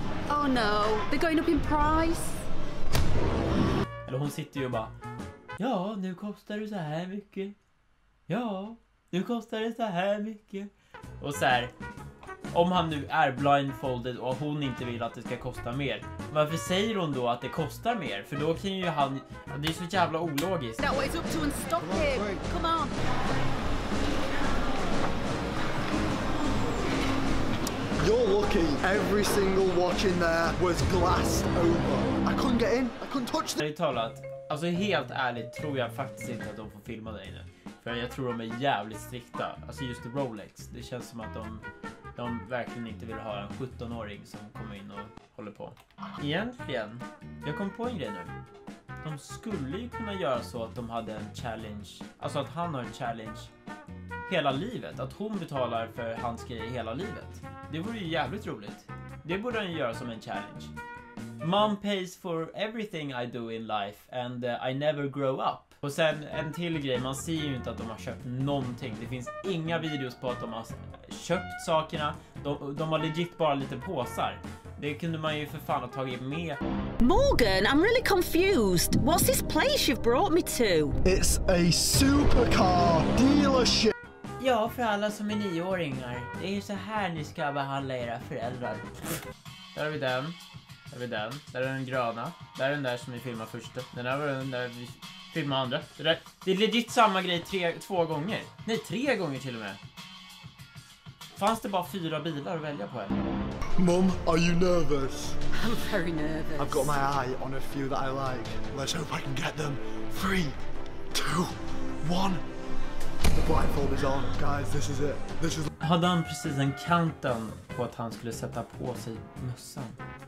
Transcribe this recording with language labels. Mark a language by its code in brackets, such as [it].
[en] Oh no, they're going up in price. [sv] Eller hon sitter ju och bara, ja, nu kostar det så här mycket. Ja, nu kostar det så här mycket. Och så här, om han nu är blindfolded och hon inte vill att det ska kosta mer, varför säger hon då att det kostar mer? För då kan ju han, det är så jävla ologiskt. [en] That way it's up to and stop him. Come on. You're lucky. Every single watch in there was glassed over. I couldn't get in. I couldn't touch [sv] them. Ärligt talat, alltså helt ärligt, tror jag faktiskt inte att de får filma dig nu. För jag tror de är jävligt strikta. Alltså just Rolex. Det känns som att de verkligen inte vill ha en 17-åring som kommer in och håller på. Egentligen, jag kom på en grej nu. De skulle ju kunna göra så att de hade en challenge. Alltså att han har en challenge hela livet. Att hon betalar för hans grejer hela livet. Det vore ju jävligt roligt. Det borde han ju göra som en challenge. [en] Mom pays for everything I do in life and I never grow up. [sv] Och sen en till grej, man ser ju inte att de har köpt någonting. Det finns inga videos på att de har köpt sakerna. De har legit bara lite påsar. Det kunde man ju för fan ha tagit med. [en] Morgan, I'm really confused. What's this place you've brought me to? It's a supercar dealership. [sv] Ja, för alla som är 9-åringar. Det är ju så här ni ska behandla era föräldrar. Där har vi den. Där har vi den. Där är den gröna. Där är den där som vi filmar först. Den där var den där vi filmar andra. Det är legit samma grej två gånger. Nej, tre gånger till och med. Fanns det bara 4 bilar att välja på eller? [en] Mom, are you nervous? I'm very nervous. I've got my eye on a few that I like. Let's hope I can get them. 3, 2, 1. The blindfold is on, guys. This is it. This is. [sv] Hade han precis en countdown på att han skulle sätta på sig mössan?